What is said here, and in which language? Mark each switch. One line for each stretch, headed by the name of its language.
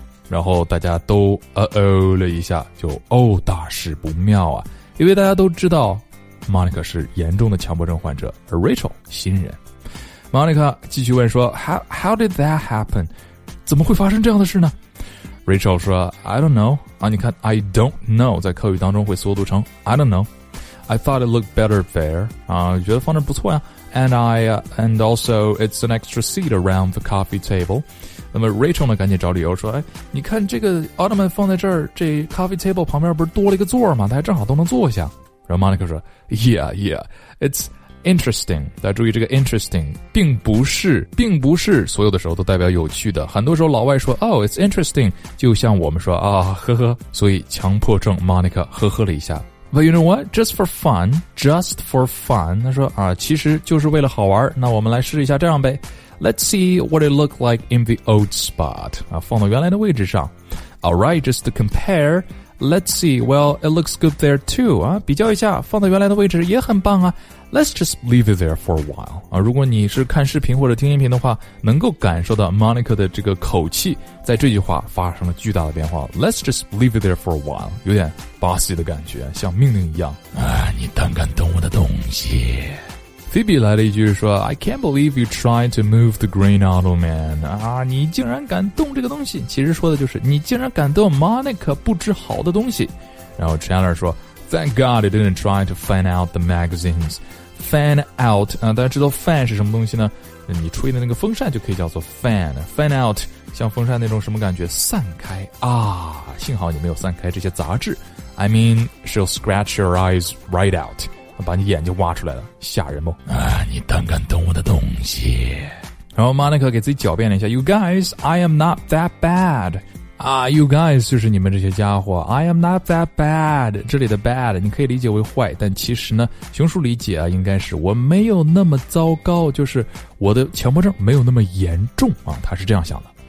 Chinese: 然后大家都了一下，就哦，大事不妙啊，因为大家都知道 Monica 是严重的强迫症患者，而 Rachel 新人。 Monica 继续问说
English: How did that happen?
Chinese: 怎么会发生这样的事呢？
English: Rachel 说 I don't know、啊、
Chinese: 你看
English: I don't know
Chinese: 在口语当中会缩读成
English: I don't know I thought it looked better there、啊、
Chinese: 觉得放着不错呀、
English: 啊、And also it's an extra seat around the coffee table。
Chinese: 那么 Rachel 呢赶紧找理由说，哎，你看这个 Ottoman 放在这儿，这 coffee table 旁边不是多了一个座吗？大家正好都能坐下。然后 Monica 说
English: Yeah, it's interesting。
Chinese: 大家注意这个 interesting 并不是所有的时候都代表有趣的，很多时候老外说
English: Oh, it's interesting
Chinese: 就像我们说啊，呵呵。所以强迫症 Monica 呵呵了一下。
English: But you know what? Just for fun
Chinese: 他说啊，其实就是为了好玩，那我们来试一下这样呗。
English: Let's see what it looked like in the old spot.、啊、
Chinese: 放到原来的位置上。
English: Alright, just to compare, Let's see, well, it looks good there too.
Chinese: 啊，比较一下，放在原来的位置也很棒啊。
English: Let's just leave it there for a while.
Chinese: 啊，如果你是看视频或者听音频的话，能够感受到 Monica 的这个口气在这句话发生了巨大的变化。
English: Let's just leave it there for a while.
Chinese: 有点 bossy 的感觉，像命令一样。啊，你胆敢动我的东西。
English: Phoebe
Chinese: 来了一句说
English: I can't believe you tried to move the green auto man.
Chinese: 啊，你竟然敢动这个东西。其实说的就是你竟然敢动 Monica 不知好的东西。
English: 然后 Chandler 说 Thank God you didn't try to fan out the magazines.
Chinese: Fan out,、啊、大家知道 fan 是什么东西呢？你吹的那个风扇就可以叫做 fan. Fan out, 像风扇那种什么感觉？散开啊，幸好你没有散开这些杂志。
English: I mean, she'll scratch your eyes right out.
Chinese: 把你眼睛挖出来了，吓人不？啊，你胆敢动我的东西！然后 Monica 给自己狡辩了一下 ，
English: You guys, I am not that bad.
Chinese: 啊 ，You guys 就是你们这些家伙 ，
English: I am not that bad.
Chinese: 这里的 bad 你可以理解为坏，但其实呢，熊叔理解啊，应该是我没有那么糟糕，就是我的强迫症没有那么严重啊，他是这样想的。